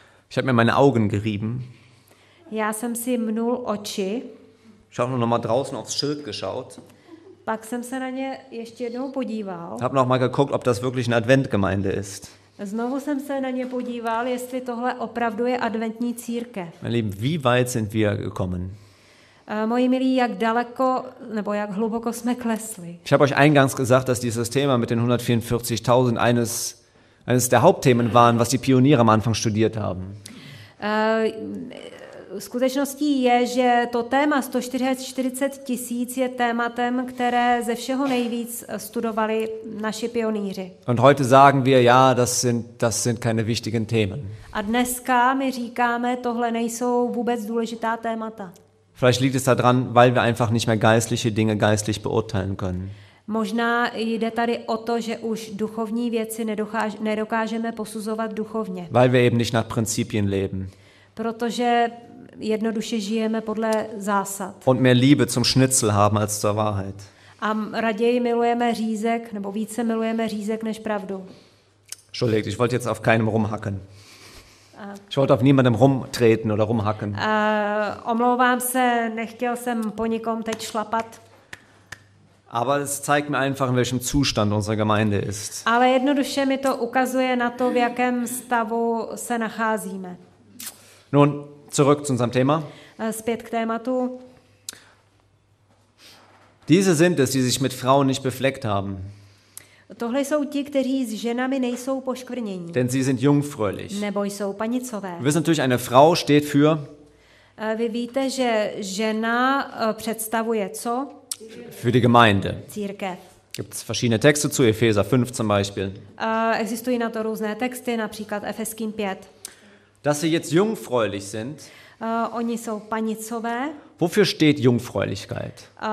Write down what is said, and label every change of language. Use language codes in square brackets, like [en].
[de] Ich habe mir meine Augen gerieben. [cs] Já jsem si mnul oči. [de] Ich habe noch mal draußen aufs Schild geschaut. [cs] Pak jsem se na ně ještě jednou podíval. [de] Hab noch mal geguckt, ob das wirklich eine Adventgemeinde ist. [cs] Znovu jsem se na ně podíval, jestli tohle opravdu je adventní církev. [de] Meine Lieben, wie weit sind wir gekommen? [cs] Moji milí, jak daleko nebo jak hluboko jsme klesli. [de] Ich habe euch eingangs gesagt, dass dieses Thema mit den 144.000 eines der Hauptthemen waren, was die Pioniere am Anfang studiert haben. [cs] Skutečností je, že to téma 144 000 je tématem, které ze všeho nejvíc studovali naši pionýři. [de] Und heute sagen wir, ja, das sind keine wichtigen Themen. [cs] A dneska my říkáme, tohle nejsou vůbec důležitá témata. [de] Vielleicht liegt es daran, weil wir einfach nicht mehr geistliche Dinge geistlich beurteilen können. [cs] Možná jde tady o to, že už duchovní věci nedokážeme posuzovat duchovně. [de] Weil wir eben nicht nach Prinzipien leben. [cs] Protože jednoduše žijeme podle zásad. [de] Und mehr Liebe zum Schnitzel haben als zur Wahrheit. [cs] A raději milujeme řízek, nebo více milujeme řízek než pravdu. [de] Entschuldigt, ich wollte jetzt auf keinem rumhacken. Ich wollte auf niemandem rumtreten oder rumhacken. [cs] Omlouvám se, nechtěl jsem po nikom teď šlapat. [de] Aber es zeigt mir einfach, in welchem Zustand unsere Gemeinde ist. [cs] Ale jednoduše mi to ukazuje na to, v jakém stavu se nacházíme. [de] Nun, zurück zu unserem Thema. [cs] Zpět k tématu. [de] Diese sind es, die sich mit Frauen nicht befleckt haben. [cs] Tohle jsou ti, kteří s ženami nejsou poškvrnění. [de] Denn sie sind jungfräulich. [cs] Nebo jsou panicové. [de] Wir wissen natürlich, eine Frau steht für. [cs] Vy víte, že žena představuje co? [de] Für die Gemeinde. [cs] Církev. [de] Gibt es verschiedene Texte zu Epheser 5 zum Beispiel. [cs] Existují na to různé texty, například Efeským 5. [de] Dass sie jetzt jungfräulich sind. [cs] Oni jsou panicové. [de] Wofür steht Jungfräulichkeit?